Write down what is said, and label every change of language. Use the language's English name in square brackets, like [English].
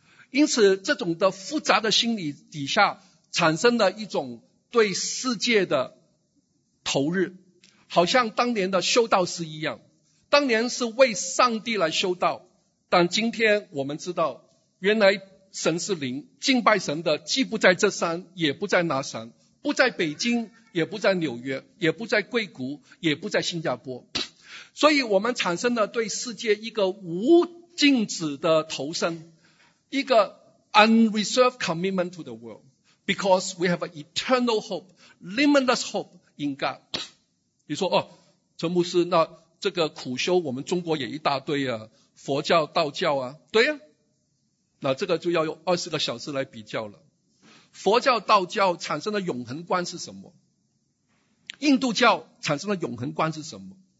[Chinese] 因此这种的复杂的心理底下产生了一种对世界的投入，好像当年的修道士一样，当年是为上帝来修道，但今天我们知道原来神是灵，敬拜神的既不在这山也不在那山，不在北京也不在纽约，也不在硅谷，也不在新加坡。所以我们产生了对世界一个无禁止的投身， [English] 一个 unreserved commitment to the world， because we have an eternal hope， limitless hope in God。 [Chinese] 你说哦，陈牧师，那这个苦修我们中国也一大堆啊，佛教道教啊，对啊，那这个就要用20个小时来比较了。佛教道教产生的永恒观是什么？印度教产生的永恒观是什么？